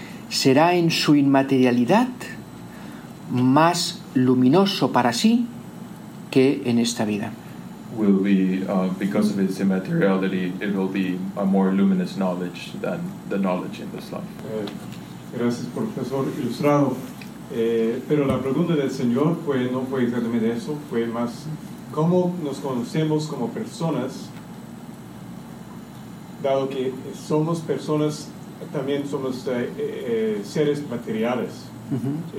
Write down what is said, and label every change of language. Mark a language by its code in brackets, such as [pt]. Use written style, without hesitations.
[es] será en su inmaterialidad más luminoso para sí que en esta vida. [en] Will be because of its immateriality, it will be a more luminous knowledge than the knowledge in this life. [es] Gracias, profesor ilustrado. Pero la pregunta del señor fue, no fue exactamente eso, fue más cómo nos conocemos como personas, dado que somos personas, también somos seres materiales. Uh-huh.